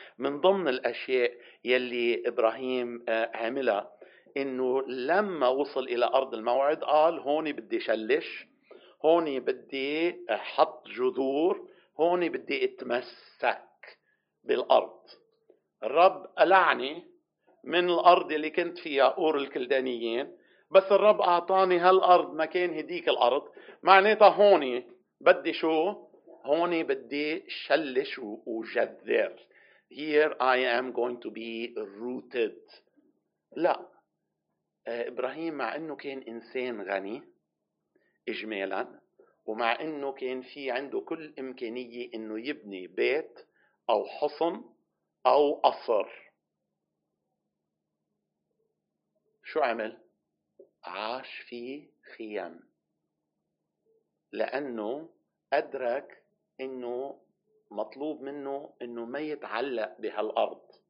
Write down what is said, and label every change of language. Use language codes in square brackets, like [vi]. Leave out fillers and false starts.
[ar] من ضمن الأشياء يلي إبراهيم عملها إنه لما وصل إلى أرض الموعد قال هوني بدي شلش، هوني بدي حط جذور، هوني بدي اتمسك بالأرض. الرب ألعني من الأرض اللي كنت فيها أور الكلدانيين، بس الرب أعطاني هالأرض مكان هديك الأرض، معناتها هوني بدي شو؟ هوني بدي شلش وجذر. [en] Here I am going to be rooted. [ar] لا، إبراهيم مع أنه كان إنسان غني إجمالا، ومع أنه كان في عنده كل إمكانية أنه يبني بيت أو حصن أو قصر، شو عمل؟ عاش في خيام، لأنه أدرك أنه مطلوب منه أنه ما يتعلق بهالأرض.